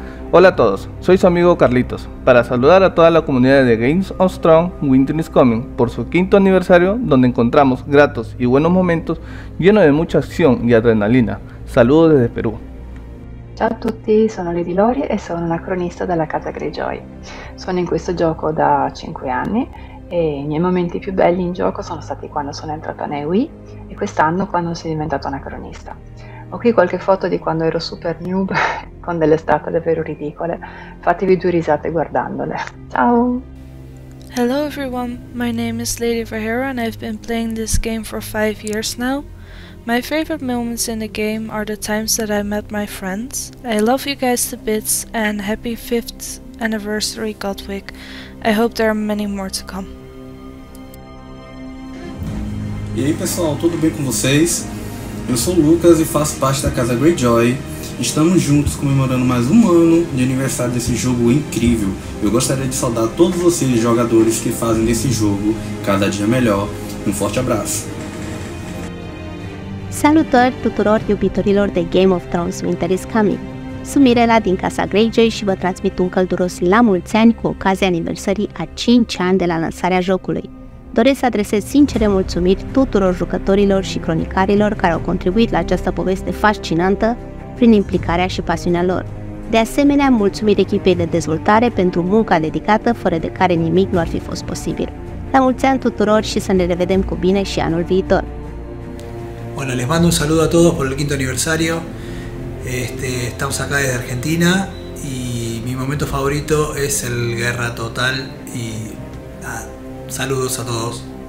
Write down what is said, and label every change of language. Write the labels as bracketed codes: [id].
[es] Hola a todos, soy su amigo Carlitos, para saludar a toda la comunidad de Games on Strong Winter is Coming por su 5th aniversario donde encontramos gratos y buenos momentos llenos de mucha acción y adrenalina. Saludos desde Perú. [it] Ciao a tutti, sono Lady Lori e sono una cronista della casa Greyjoy. Sono in questo gioco da 5 anni e I miei momenti più belli in gioco sono stati quando sono entrata nei Wii e quest'anno quando sono diventata una cronista. Ho qui qualche foto di quando ero super noob con delle statue davvero ridicole. Fatevi due risate guardandole. Ciao! [en] Hello everyone, my name is Lady Verhera and I've been playing this game for 5 years now. My favorite moments in the game are the times that I met my friends. I love you guys to bits and happy 5th anniversary, Gotwick. I hope there are many more to come. [pt] E aí pessoal, tudo bem com vocês? Eu sou o Lucas e faço parte da Casa Greyjoy. Estamos juntos comemorando mais um ano de aniversário desse jogo incrível. Eu gostaria de saudar todos vocês, jogadores, que fazem desse jogo cada dia melhor. Um forte abraço. [ro] Salutări tuturor iubitorilor de Game of Thrones Winter is Coming. Sunt Mirela din Casa Greyjoy și vă transmit un călduros la mulți ani cu ocazia aniversării a 5 ani de la lansarea jocului. Doresc să adresez sincere mulțumiri tuturor jucătorilor și cronicarilor care au contribuit la această poveste fascinantă prin implicarea și pasiunea lor. De asemenea, mulțumiri echipei de dezvoltare pentru munca dedicată, fără de care nimic nu ar fi fost posibil. La mulți ani tuturor și să ne revedem cu bine și anul viitor! [es] Bueno, les mando un saludo a todos por el 5th aniversario. Estamos acá desde Argentina y mi momento favorito es el Guerra Total y saludos a todos.